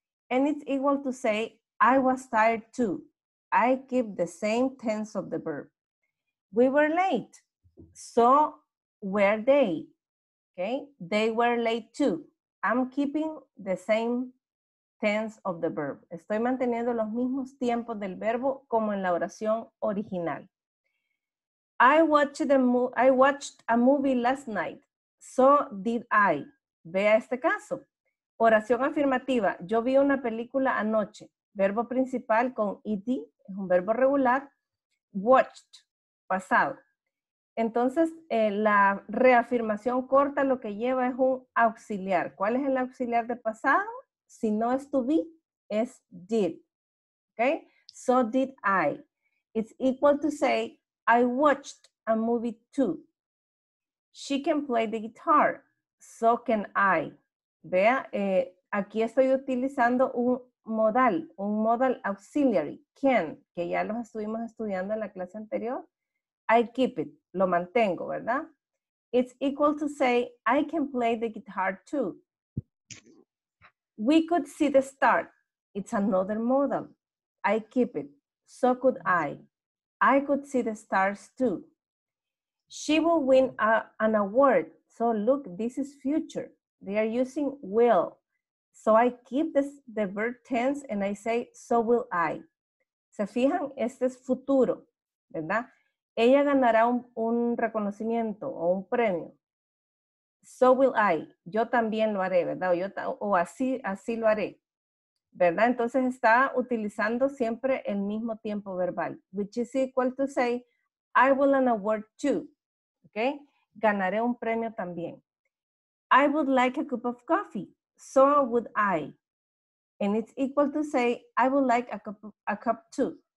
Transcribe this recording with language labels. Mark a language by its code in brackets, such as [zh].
[en] And it's equal to say, I was tired too. I keep the same tense of the verb. We were late. So were they. Okay, they were late too. I'm keeping the same tense of the verb. [es] Estoy manteniendo los mismos tiempos del verbo como en la oración original. [en] I watched a movie last night. So did I. [es] Vea este caso. Oración afirmativa. Yo vi una película anoche. Verbo principal con ed, es un verbo regular. Watched, pasado. Entonces, la reafirmación corta lo que lleva es un auxiliar. ¿Cuál es el auxiliar de pasado? Si no es to be, es did. Okay? [en] So did I. It's equal to say, I watched a movie too. She can play the guitar. So can I. [es] Vea, aquí estoy utilizando un modal auxiliary. Can, que ya los estuvimos estudiando en la clase anterior. [en] I keep it, [es] lo mantengo, ¿verdad? [en] It's equal to say, I can play the guitar too. We could see the star. It's another modal. I keep it. So could I. I could see the stars too. She will win an award. So look, this is future. They are using will. So I keep the verb tense and I say, so will I. [es] ¿Se fijan? Este es futuro, ¿verdad? Ella ganará un reconocimiento o un premio. [en] So will I. [es] Yo también lo haré, ¿verdad? O así lo haré, ¿verdad? Entonces está utilizando siempre el mismo tiempo verbal. [en] Which is equal to say, I will an award too. ¿Okay? [es] Ganaré un premio también. [en] I would like a cup of coffee. So would I. And it's equal to say, I would like a cup too.